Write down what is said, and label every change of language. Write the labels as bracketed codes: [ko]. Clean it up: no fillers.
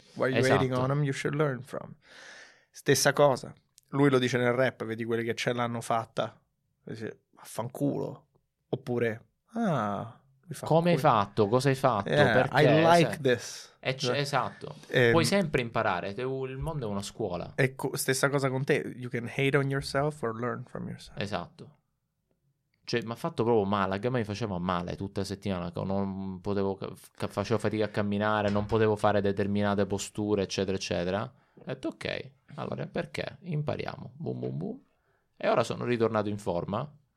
[en] Why are you hating on him? You should learn from." [it] Stessa cosa. Lui lo dice nel rap, vedi quelli che ce l'hanno fatta. Dice, affanculo. Oppure "Ah, come hai fatto? Cosa hai fatto? Perché [en] I like this." [it] Esatto. Puoi sempre imparare, il mondo è una scuola. Ecco, stessa cosa con te. [en] You can hate on yourself or learn from yourself. [it] Esatto. Cioè, mi ha fatto proprio male, la gamba mi faceva male tutta la settimana, non potevo, facevo fatica a camminare, non potevo fare determinate posture, eccetera, eccetera. Ho detto, ok, allora perché? Impariamo. Boom, boom, boom. E ora sono ritornato in forma.